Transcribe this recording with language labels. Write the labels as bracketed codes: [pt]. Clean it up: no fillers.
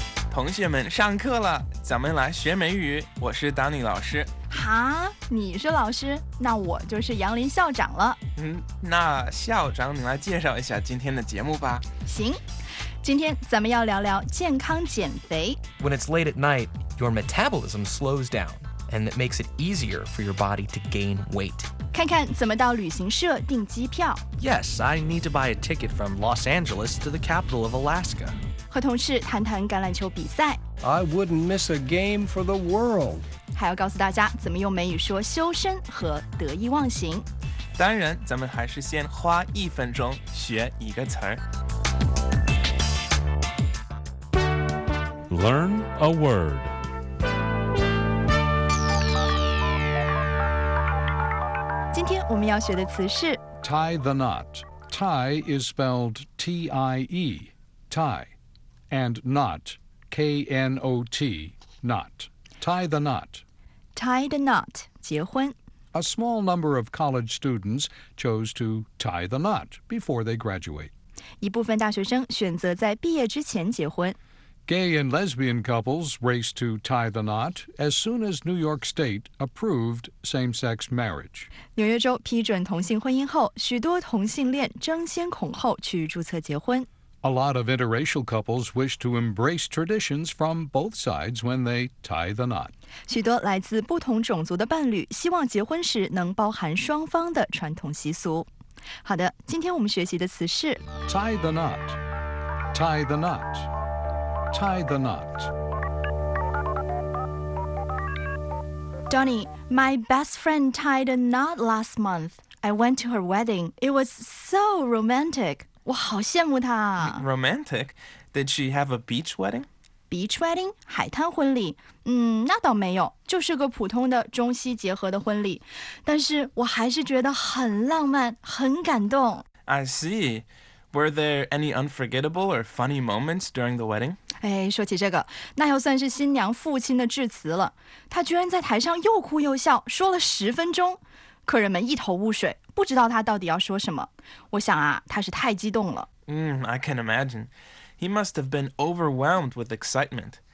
[zh] 同学们上课了，咱们来学美语。我是 Danny 老师。哈，你是老师，那我就是杨林校长了。那校长你来介绍一下今天的节目吧。行，今天咱们要聊聊健康减肥。 [en] When it's late at night, your metabolism slows down, and that makes it easier for your body to gain weight. [zh] 看看怎么到旅行社订机票。 [en] Yes, I need to buy a ticket from Los Angeles to the capital of Alaska. [zh] 和同事谈谈橄榄球比赛。 [en] I wouldn't miss a game for the world. [zh] 还要告诉大家怎么用美语说修身和得意忘形。当然，咱们还是先花一分钟学一个词儿。 [en] Learn a word. [zh] 今天我们要学的词是 [en] tie the knot. Tie is spelled T-I-E, tie, and knot, K-N-O-T, knot. Tie the knot. Tie the knot, 结婚。 A small number of college students chose to tie the knot before they graduate. [zh] 一部分大学生选择在毕业之前结婚。 [en] Gay and lesbian couples race to tie the knot as soon as New York State approved same-sex marriage. [zh] 纽约州批准同性婚姻后，许多同性恋争先恐后去注册结婚。 [en] A lot of interracial couples wish to embrace traditions from both sides when they tie the knot. [zh] 许多来自不同种族的伴侣希望结婚时能包含双方的传统习俗。好的，今天我们学习的词是 [en] tie the knot, tie the knot. Tie the knot. Donny, my best friend tied a knot last month. I went to her wedding. It was so romantic. [zh] 我好羡慕她。 [en] Romantic? Did she have a beach wedding? Beach wedding? [zh] 海滩婚礼？那倒没有，就是个普通的中西结合的婚礼。但是我还是觉得很浪漫，很感动。 [en] I see. Were there any unforgettable or funny moments during the wedding? [zh] 哎，说起这个，那要算是新娘父亲的致辞了。他居然在台上又哭又笑，说了十分钟，客人们一头雾水，不知道他到底要说什么。我想啊，他是太激动了。 [en] I can imagine. He must have been overwhelmed with excitement.